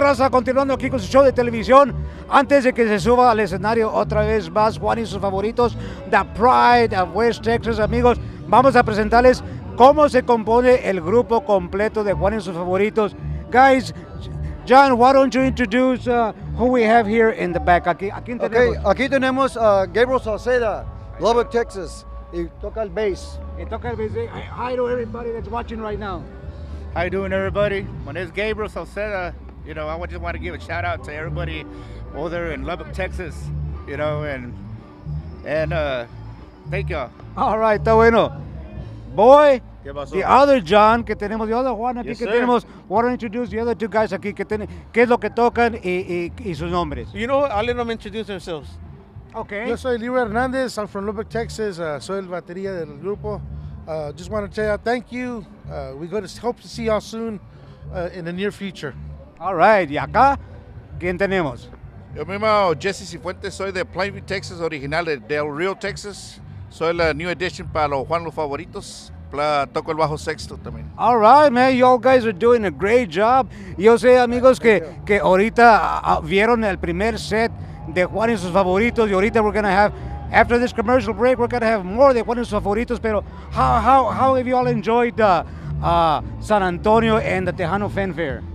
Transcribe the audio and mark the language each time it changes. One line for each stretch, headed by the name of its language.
Spanish: Continuando aquí con su show de televisión, antes de que se suba al escenario otra vez más Juan y sus favoritos, The Pride of West Texas, amigos, vamos a presentarles cómo se compone el grupo completo de Juan y sus favoritos.
English: Guys, John, why don't you introduce who we have here in the back?
Spanish: Aquí tenemos. Okay, aquí tenemos a Gabriel Salceda, Lubbock, Texas, y toca el bass.
English: Hi to everybody that's watching right now. How you doing, everybody? My name is Gabriel Salceda. You know, I just want to give a shout out to everybody over there in Lubbock, Texas, you know, and thank y'all. All right,
Spanish: está bueno.
English: Boy, the other John
Spanish: que tenemos,
English: the other Juan aquí, yes,
Spanish: que
English: sir.
Spanish: Tenemos,
English: why don't you introduce the other two guys
Spanish: aquí, qué es lo que tocan y sus nombres.
English: You know, I'll let them introduce themselves. Okay.
Spanish: Yo soy Leo Hernandez,
English: I'm from Lubbock, Texas,
Spanish: soy el batería del grupo.
English: Just want to tell you, thank you. We're going to hope to see y'all soon in the near future.
Spanish: All right. Y acá, ¿quién tenemos? Yo mismo, Jesse Cifuentes, soy de Plainview, Texas, original de Del Rio, Texas. Soy la new edition para los Juan los Favoritos. Toco el bajo sexto también.
English: All right, man. You all guys are doing a great job.
Spanish: Yo sé, amigos, que ahorita vieron el primer set de Juan y sus Favoritos. Y ahorita
English: we're going to have, after this commercial break, we're going to have more de Juan y sus Favoritos. Pero how have you all enjoyed San Antonio and the Tejano Fanfare?